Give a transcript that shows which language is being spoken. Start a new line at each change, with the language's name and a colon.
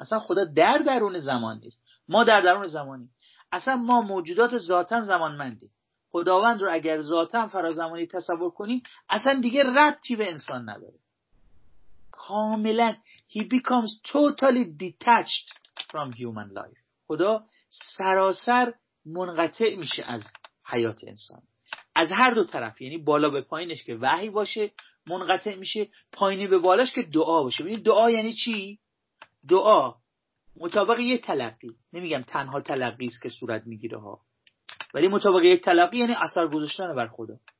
Persian: اصلا خدا در درون زمان نیست. ما در درون زمانی. اصلا ما موجودات ذاتن زمانمندی. خداوند رو اگر ذاتن فرازمانی تصور کنی، اصلا دیگه ربطی به انسان نداره. کاملا
English: He becomes totally detached from human life.
Persian: خدا سراسر منقطع میشه از حیات انسان، از هر دو طرف، یعنی بالا به پایینش که وحی باشه منقطع میشه، پایینی به بالاش که دعا باشه. ببین دعا یعنی چی؟ دعا مطابق یه تلقی، نمیگم تنها تلقی است که صورت میگیره ها، ولی مطابق یه تلقی یعنی اثر گذاشتن بر خدا.